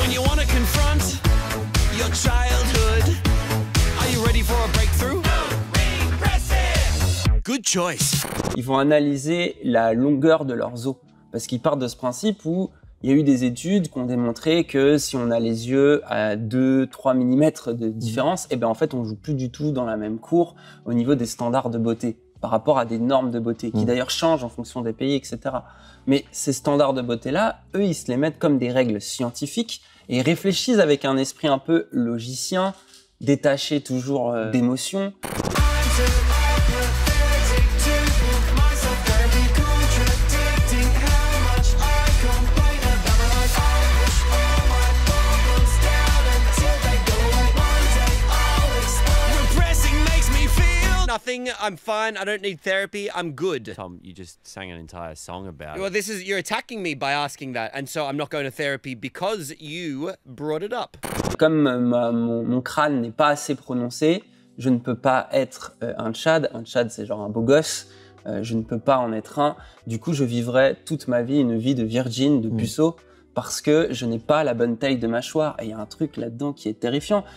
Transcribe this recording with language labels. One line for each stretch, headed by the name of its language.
English: When you wanna confront your childhood, are you ready for a breakthrough? No. Repress it. Good choice.
French: Ils vont analyser la longueur de leurs os parce qu'ils partent de ce principe où il y a eu des études qui ont démontré que si on a les yeux à 2-3 mm de différence, et ben en fait on joue plus du tout dans la même cour au niveau des standards de beauté. Par rapport à des normes de beauté, qui d'ailleurs changent en fonction des pays, etc. Mais ces standards de beauté-là, eux, ils se les mettent comme des règles scientifiques et réfléchissent avec un esprit un peu logicien, détaché toujours d'émotions.
English: Nothing. I'm fine. I don't need therapy. I'm good. Tom, you just sang an entire song about it. Well, this is you're attacking me by asking that, and so I'm not going to therapy because you brought it up.
French: Comme mon crâne n'est pas assez prononcé, je ne peux pas être un Chad. Un Chad, c'est genre un beau gosse. Je ne peux pas en être un. Du coup, je vivrai toute ma vie une vie de virgin, de puceau. Parce que je n'ai pas la bonne taille de mâchoire. Et il y a un truc là-dedans qui est terrifiant.